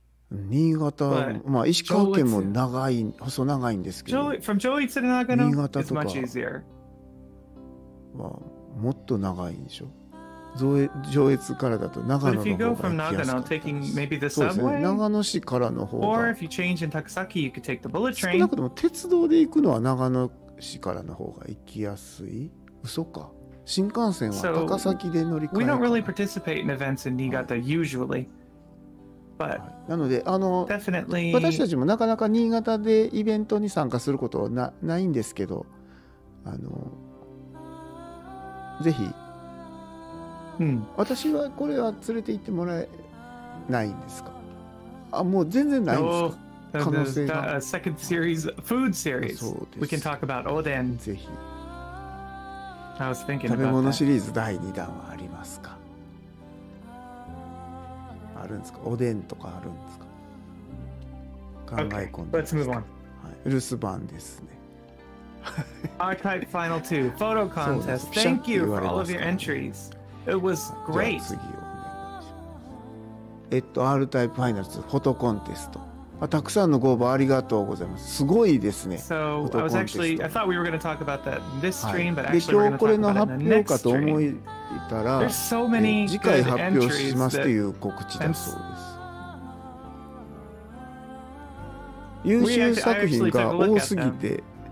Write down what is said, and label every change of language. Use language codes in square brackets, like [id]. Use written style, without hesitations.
[ja] 新潟、まあ石川県も長い、細長いんですけど、 [en] from Joe to Nagano, [ja] 新潟とかは、まあ、もっと長いんでしょ。上越からだと長野の方が行きやすかったです。そうですね、長野市からの方が。 [en] Or if you change in Takasaki, you could take the bullet train. [ja] 少なくとも鉄道で行くのは長野市からの方が行きやすい。嘘か。新幹線は高崎で乗り換え。 [en] So, we don't really participate in events in Niigata usually. [ja] なので、 [en] Definitely. [ja] 私たちもなかなか新潟でイベントに参加することは ないんですけど、ぜひ、私はこれは連れて行ってもらえないんですか？あ、もう全然ないんですか？可能性が。 [en] Second series, food series. We can talk about Oden. [ja] ぜひ。 [en] I was thinking about that. [ja] 食べ物シリーズ第2弾はありますか？あるんですか、おでんとかあるんですか、考え込んで。 [en] Let's move on. [ja] はい、留守番ですね。 [en] Archive Final 2 Photo Contest. Thank you for all of your entries. It was great. [ja] じゃあ次をお願いします。 [en] R-Type Final 2 Photo Contest。 [ja] たくさんのご応募ありがとうございます。すごいですね。 [en] So, フォトコンテスト。 I thought we were going to talk about that in this stream, but actually, [ja] 今日これの発表かと思い。 [en] There's so many good entries that. And we actually took a look at them.